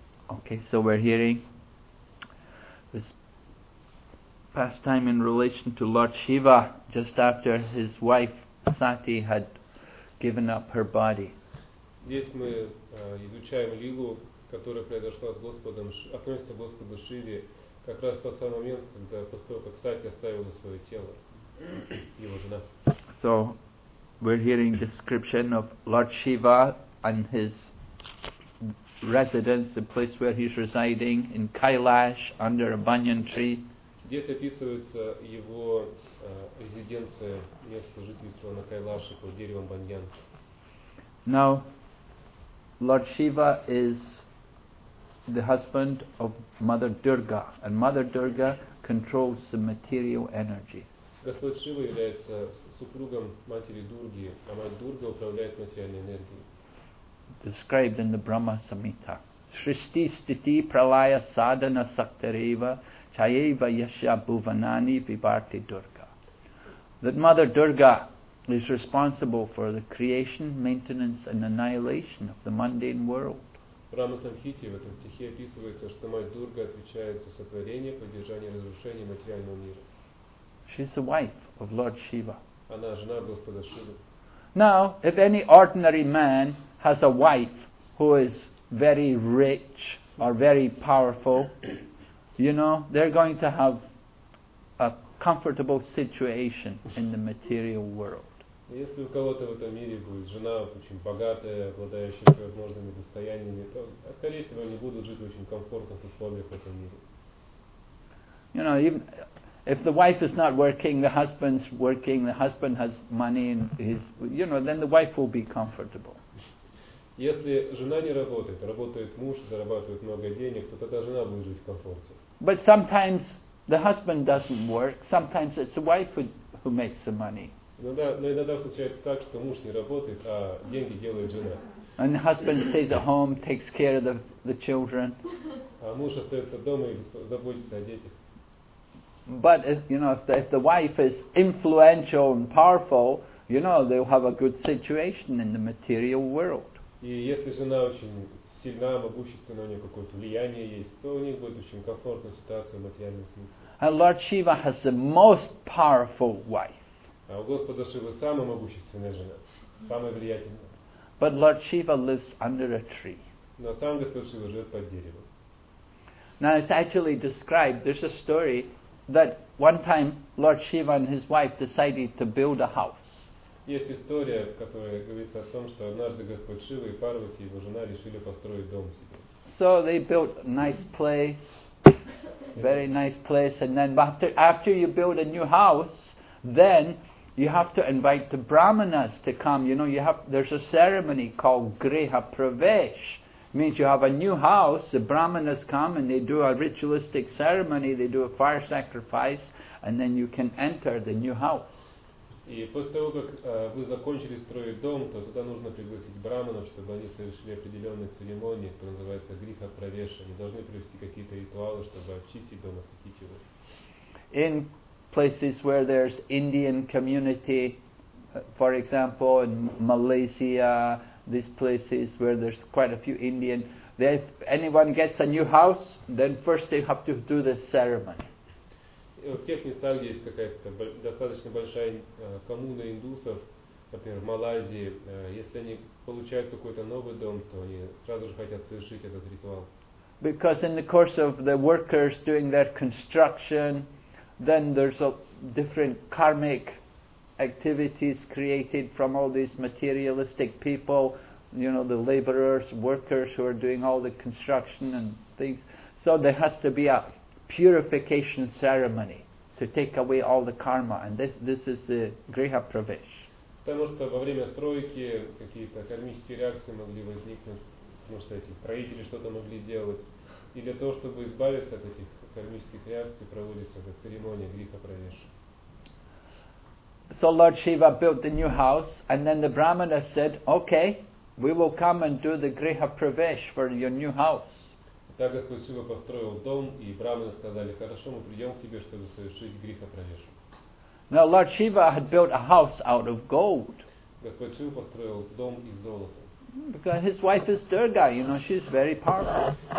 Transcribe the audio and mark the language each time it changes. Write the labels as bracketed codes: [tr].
[en] Okay, so we're hearing this pastime in relation to Lord Shiva just after his wife Sati had given up her body. [ru] Здесь мы изучаем лилу, которая произошла с Господом, относится к Господу Шиве, как раз в тот самый момент, когда после того, как Сати оставила свое тело, его жена. [en] So we're hearing description of Lord Shiva and his residence, the place where he's residing in Kailash under a banyan tree. [ru] Здесь описывается его резиденция, место жительства на Кайлаше под деревом баньян. [en] Now, Lord Shiva is the husband of Mother Durga, and Mother Durga controls the material energy. [ru] Господь Шива является супругом матери Дурги, а мать Дурга управляет материальной энергией. [en] described in the Brahma Samhita. [sa] Shristi stiti pralaya sadhana saktareva chayeva yasya bhuvanani vibharti Durga. [en] That Mother Durga is responsible for the creation, maintenance and annihilation of the mundane world. [ru] Брама Санхите в этом стихе описывается, что мать Дурга отвечает за сотворение, поддержание, разрушение материального мира. [en] She's the wife of Lord Shiva. [ru] Она жена Господа Шивы. [en] Now, if any ordinary man has a wife who is very rich or very powerful, you know, they're going to have a comfortable situation in the material world. [ru] Если у кого-то в этом мире будет жена очень богатая, обладающая всевозможными достояниями, то, скорее всего, они будут жить в очень комфортных условиях в этом мире. [en] You know, even if the wife is not working, the husband's working, the husband has money, and his, you know, then the wife will be comfortable. [ru] Если жена не работает, работает муж, зарабатывает много денег, то тогда жена будет жить в комфорте. [en] But sometimes the husband doesn't work. Sometimes it's the wife who makes the money. [ru] Иногда случается так, что муж не работает, а деньги делает жена. [en] And the husband stays at home, takes care of the children. [ru] А муж остается дома и заботится о детях. [en] But if, you know, if the wife is influential and powerful, you know, they'll have a good situation in the material world. [ru] И если жена очень сильна, могущественна, у нее какое-то влияние есть, то у них будет очень комфортная ситуация в материальном смысле. [en] And Lord Shiva has the most powerful wife. [ru] А у Господа Шивы самая могущественная жена, самая влиятельная. [en] But Lord Shiva lives under a tree. [ru] Но сам Господь Шива живет под деревом. [en] Now it's actually described, there's a story that one time Lord Shiva and his wife decided to build a house. [ru] Есть история, в которой говорится о том, что однажды Господь Шива и Парвати, его жена, решили построить дом себе. [en] So they built a nice place, very nice place, and then after you build a new house, then you have to invite the brahmanas to come. You know, there's a ceremony called Griha Pravesh. It means you have a new house, the brahmanas come and they do a ritualistic ceremony, they do a fire sacrifice, and then you can enter the new house. [ru] И после того, как вы закончили строить дом, то туда нужно пригласить брахманов, чтобы они совершили определенные церемонии, которые называются Гриха Правеш. Они должны провести какие-то ритуалы, чтобы очистить дом, осветить его. [en] In places where there's Indian community, for example, in Malaysia, these places where there's quite a few Indian, they, if anyone gets a new house, then first they have to do this ceremony. [ru] В тех местах, где есть какая-то достаточно большая коммуна индусов, например, в Малайзии, если они получают какой-то новый дом, то они сразу же хотят совершить этот ритуал. [en] Because in the course of the workers doing their construction, then there's a different karmic activities created from all these materialistic people, you know, the laborers, workers who are doing all the construction and things. So there has to be a purification ceremony to take away all the karma, and this is the Griha Pravesh. [ru] Потому что во время стройки какие-то кармические реакции могли возникнуть, потому что эти строители что-то могли делать. И для того, чтобы избавиться от этих кармических реакций, проводится эта церемония Гриха Правеш. [en] So Lord Shiva built the new house, and then the brahmana said, "Okay, we will come and do the Griha Pravesh for your new house." [ru] Так Господь Шива построил дом, и брахманы сказали: "Хорошо, мы придем к тебе, чтобы совершить Гриха Правеш." [en] Now Lord Shiva had built a house out of gold. [ru] Господь Шива построил дом из золота. [en] Because his wife is Durga, you know, she's very powerful.